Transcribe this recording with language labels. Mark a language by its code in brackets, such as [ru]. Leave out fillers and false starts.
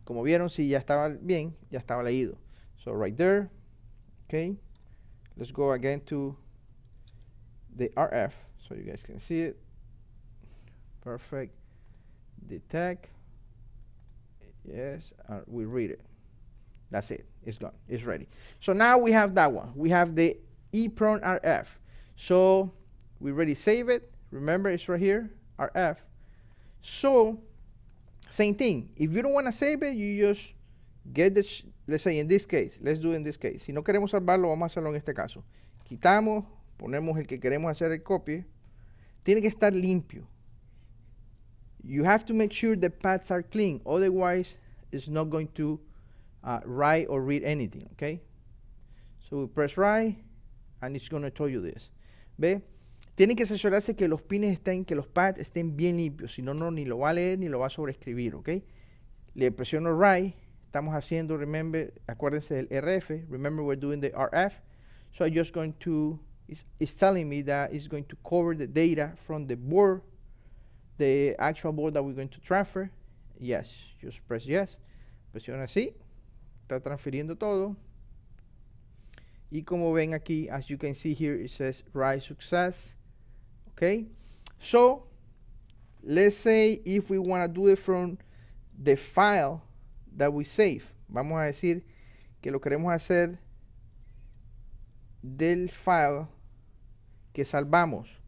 [es] Como vieron, si ya estaba bien, ya estaba leído. [en] So right there, okay. Let's go again to the RF, so you guys can see it. Perfect. Detect. Yes, we read it. That's it, it's gone, it's ready. So now we have that one. We have the EEPROM RF. So, we already save it. Remember, it's right here, RF. So, same thing. If you don't want to save it, you just get the, let's say in this case, let's do it in this case. [es] Si no queremos salvarlo, vamos a hacerlo en este caso. Quitamos, ponemos el que queremos hacer el copy. Tiene que estar limpio. [en] You have to make sure the pads are clean. Otherwise, it's not going to write or read anything, okay? So, we press write, and it's going to tell you this. [es] ¿Ve? Tienen que asegurarse que los pines estén, que los pads estén bien limpios. Si no, no, ni lo va a leer, ni lo va a sobreescribir, ¿ok? Le presiono write, [en] Estamos haciendo, remember, acuérdense del RF. Remember, we're doing the RF. So I'm just going to, it's telling me that it's going to cover the data from the board, the actual board that we're going to transfer. [es] Yes, just press yes. Presiona sí. Está transfiriendo todo. [en] Y como ven aquí, as you can see here, it says write success. Okay. So, let's say if we want to do it from the file that we save. [es] Vamos a decir que lo queremos hacer del file que salvamos.